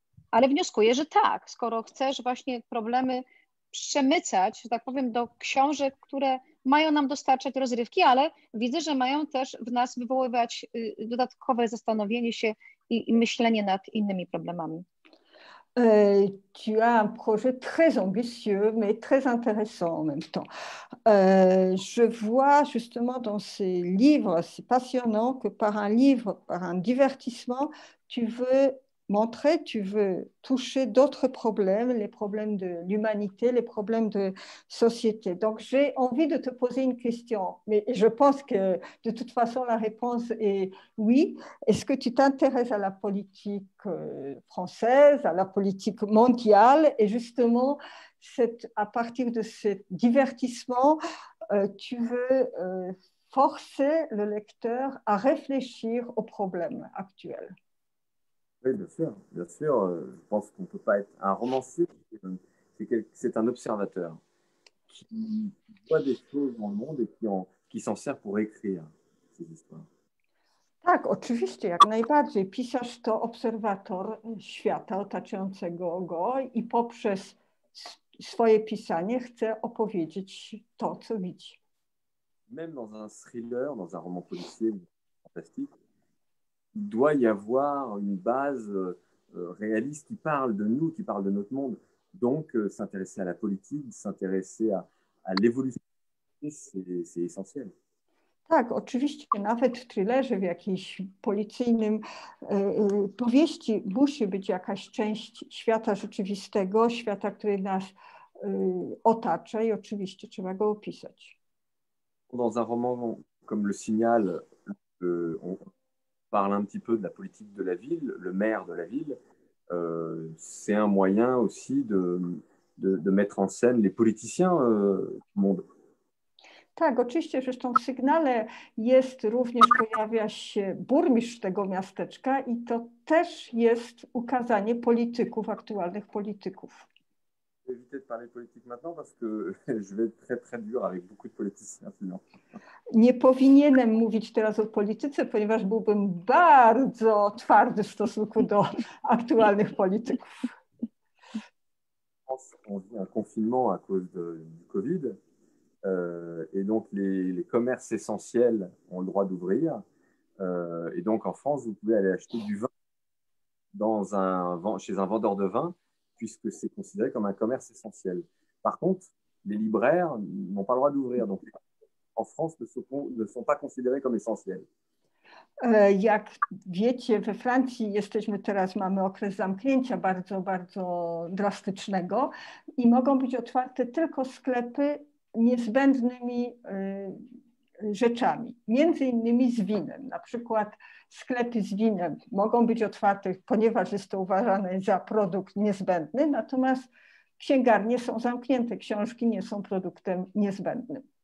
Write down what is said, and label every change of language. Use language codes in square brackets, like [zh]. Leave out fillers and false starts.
[pl] ale wnioskuję, że tak, skoro chcesz właśnie problemy przemycać, że tak powiem, do książek, które mają nam dostarczać rozrywki, ale widzę, że mają też w nas wywoływać dodatkowe zastanowienie się i myślenie nad innymi problemami. [fr] Tu as un projet très ambitieux, mais très intéressant en même temps. Je vois justement dans ces livres, c'est passionnant que par un livre, par un divertissement, tu veux montrer, tu veux toucher d'autres problèmes, les problèmes de l'humanité, les problèmes de société. Donc j'ai envie de te poser une question, mais je pense que de toute façon la réponse est oui. Est-ce que tu t'intéresses à la politique française, à la politique mondiale? Et justement, à partir de ce divertissement, tu veux forcer le lecteur à réfléchir aux problèmes actuels? Oui, bien sûr, je pense qu'on ne peut pas être un romancier, c'est un observateur qui voit des choses dans le monde et qui s'en sert pour écrire ces histoires. [pl] Tak, oczywiście, jak najbardziej. Pisarz to obserwator świata otaczającego go i poprzez swoje pisanie chce opowiedzieć to, co widzi. [fr] Même dans un thriller, dans un roman policier fantastique, il doit y avoir une base réaliste qui parle de nous, qui parle de notre monde. Donc, s'intéresser à la politique, s'intéresser à l'évolution, c'est essentiel. [pl] Tak, oczywiście, nawet w thrillerze, w jakiejś policyjnym powieści musi być jakaś część świata rzeczywistego, świata, który nas otacza i oczywiście trzeba go opisać. [fr] Dans un roman comme Le Signal, on parle un petit peu de la politique de la ville, le maire de la ville, c'est un moyen aussi de mettre en scène les politiciens du monde. [pl] Tak, oczywiście, zresztą w Sygnale jest również, pojawia się burmistrz tego miasteczka i to też jest ukazanie polityków, aktualnych polityków. [fr] Éviter de parler politique maintenant parce que je vais être très très dur avec beaucoup de politiciens sinon. [pl] Nie powinienem mówić teraz o polityce, ponieważ byłbym bardzo twardy w stosunku do aktualnych polityków. [fr] On vit un confinement à cause du Covid et donc les commerces essentiels ont le droit d'ouvrir et donc en France vous pouvez aller acheter du vin chez un vendeur de vin puisque c'est considéré comme un commerce essentiel. Par contre, les libraires n'ont pas le droit d'ouvrir, donc en France ne sont pas considérés comme essentiels. [pl] Jak wiecie, we Francji jesteśmy teraz, mamy okres zamknięcia bardzo, bardzo drastycznego i mogą być otwarte tylko sklepy niezbędnymi rzeczami, między innymi z winem. Na przykład sklepy z winem mogą być otwarte, ponieważ jest to uważane za produkt niezbędny, natomiast księgarnie są zamknięte, książki nie są produktem niezbędnym.